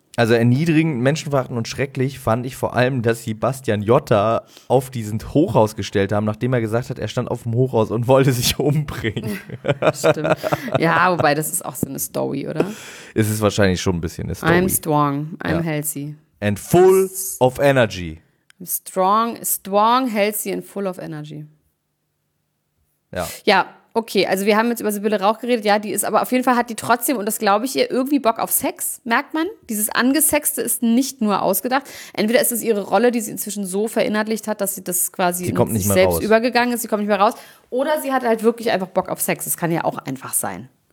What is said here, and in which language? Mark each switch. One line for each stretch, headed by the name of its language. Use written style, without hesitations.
German: Also erniedrigend, menschenverachtend und schrecklich fand ich vor allem, dass sie Bastian Jotta auf diesen Hochhaus gestellt haben, nachdem er gesagt hat, er stand auf dem Hochhaus und wollte sich umbringen. Stimmt. Ja, wobei, das ist auch so eine Story, oder? Es ist wahrscheinlich schon ein bisschen eine Story.
English: I'm strong, I'm healthy. And full of energy. Strong, strong, healthy and full of energy.
German: Ja. Ja. Okay, also wir haben jetzt über Sibylle Rauch geredet, ja, die ist, aber auf jeden Fall hat die trotzdem, und das glaube ich ihr, irgendwie Bock auf Sex, merkt man. Dieses Angesexte ist nicht nur ausgedacht. Entweder ist es ihre Rolle, die sie inzwischen so verinnerlicht hat, dass sie das quasi sich selbst übergegangen ist, sie kommt nicht mehr raus. Oder sie hat halt wirklich einfach Bock auf Sex, das kann ja auch einfach sein.